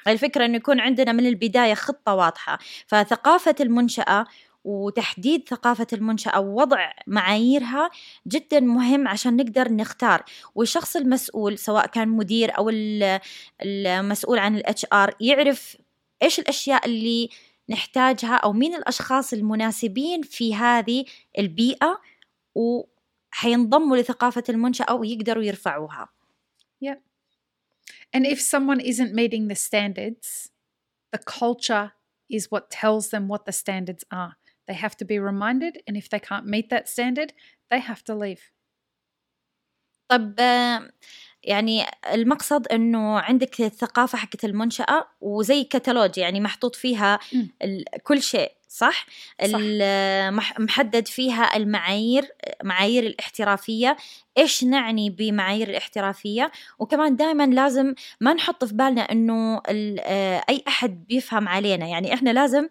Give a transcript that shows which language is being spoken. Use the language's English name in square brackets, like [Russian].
[Arabic] الفكرة إنه يكون عندنا من البداية خطة واضحة. فثقافة المنشأة وتحديد ثقافة المنشأة ووضع معاييرها جدا مهم عشان نقدر نختار, والشخص المسؤول سواء كان مدير أو المسؤول عن الـ HR يعرف إيش الأشياء اللي نحتاجها أو مين الأشخاص المناسبين في هذه البيئة وحينضموا لثقافة المنشأة ويقدروا يرفعوها. [English] Yeah. And if someone isn't meeting the standards, the culture is what tells them what the standards are. They have to be reminded, and if they can't meet that standard, they have to leave. [Arabic] طب يعني المقصد إنه عندك الثقافة حقت المنشأة وزي كتالوج يعني محطوط فيها كل شيء. صح. محدد فيها معايير الاحترافية, إيش نعني بمعايير الاحترافية, وكمان دائما لازم ما نحط في بالنا إنه أي أحد بيفهم علينا, يعني إحنا لازم